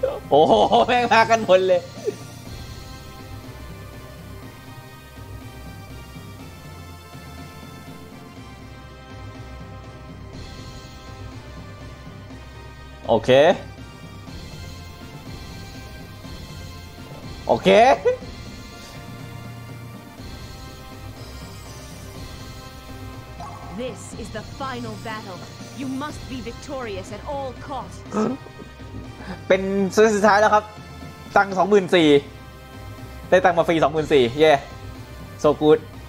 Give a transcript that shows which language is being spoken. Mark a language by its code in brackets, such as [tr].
[th] โอ้โหแม่งมากันหมดเลยโอเคโอเค [en] This is the final battle. You must be victorious at all costs. [th] เป็นซื้อสุดท้ายแล้วครับตังค์ 24,000 ได้ตังค์มาฟรี 24,000 เย้ [en] so good